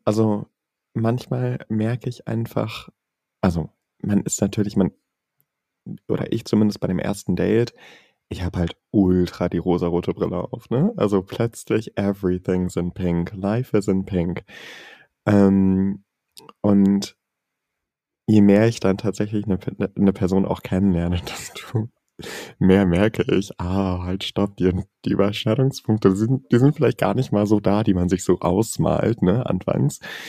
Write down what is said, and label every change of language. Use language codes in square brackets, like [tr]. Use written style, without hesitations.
[de] Also manchmal merke ich einfach, also man ist natürlich, oder ich zumindest bei dem ersten Date, ich habe halt ultra die rosarote Brille auf, ne? Also plötzlich [en] everything's in pink, life is in pink. [de] Und je mehr ich dann tatsächlich eine Person auch kennenlerne, desto mehr merke ich, ah, halt stopp, die Überschneidungspunkte, die sind vielleicht gar nicht mal so da, die man sich so ausmalt, ne, anfangs.